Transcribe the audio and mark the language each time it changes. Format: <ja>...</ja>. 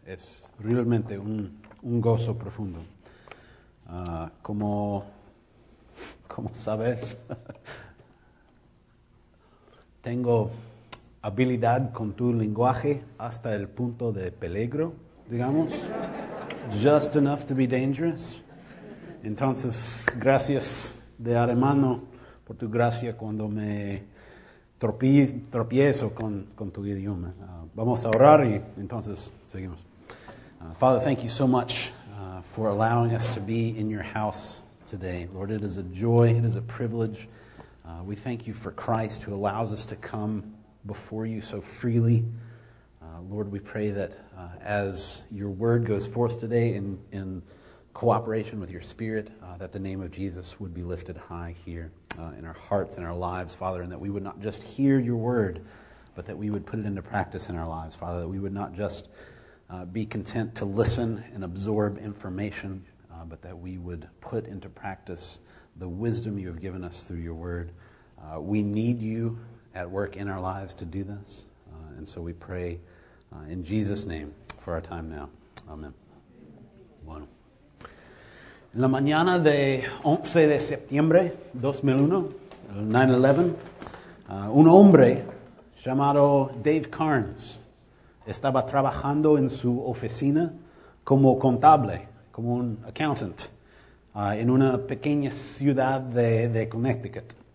<es>Es realmente un gozo profundo. Como sabes, tengo habilidad con tu lenguaje hasta el punto de peligro, digamos.</es> <en>Just enough to be dangerous.</en> <es>Entonces, gracias de antemano por tu gracia cuando me tropiezo con tu idioma. Vamos a orar y entonces seguimos.</es> <en>Father, thank you so much for allowing us to be in your house today. Lord, it is a joy, it is a privilege. We thank you for Christ who allows us to come before you so freely. Lord, we pray that as your word goes forth today in cooperation with your spirit, that the name of Jesus would be lifted high here in our hearts and our lives, Father, and that we would not just hear your word, but that we would put it into practice in our lives, Father, that we would not just be content to listen and absorb information, but that we would put into practice the wisdom you have given us through your word. We need you at work in our lives to do this, and so we pray in Jesus' name for our time now.</en> <es>Amen. Bueno. En la mañana de 11 de septiembre 2001, 9/11, un hombre llamado Dave Carnes estaba trabajando en su oficina como contable, como un accountant, en una pequeña ciudad de Connecticut.</es>